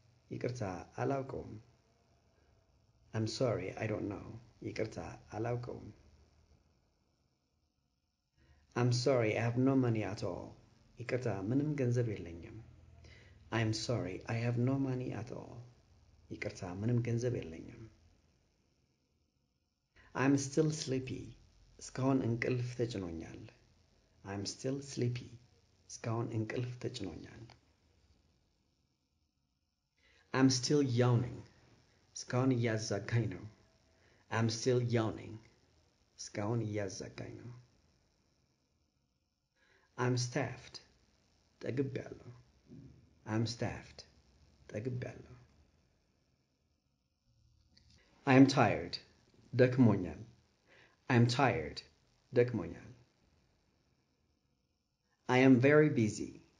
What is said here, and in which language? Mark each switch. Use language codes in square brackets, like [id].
[am] ይቅርታ አላውቀውም። [en] I'm sorry, I don't know. [am] ይቅርታ አላውቀውም። [en] I'm sorry, I have no money at all. [am] ይቅርታ ምንም ገንዘብ የለኝም። [en] I'm sorry, I have no money at all. [am] ይቅርታ ምንም ገንዘብ የለኝም። [en] I'm still sleepy. [am] እስካሁን እንቅልፍ ተጭኖኛል። [en] I'm still sleepy. [am] እስካሁን እንቅልፍ ተጭኖኛል። [en] I'm still yawning. [am] እስካሁን እያዘጋኝ ነው። [en] I'm still yawning. [am] እስካሁን እያዘጋኝ ነው። [en] I'm staffed. [am] ጠግቤያለሁ። [en] I'm staffed. [am] ጠግቤያለሁ። [en] I'm tired. [am] ደክሞኛል። [en] I'm tired. [am] ደክሞኛል። [en] I am very busy.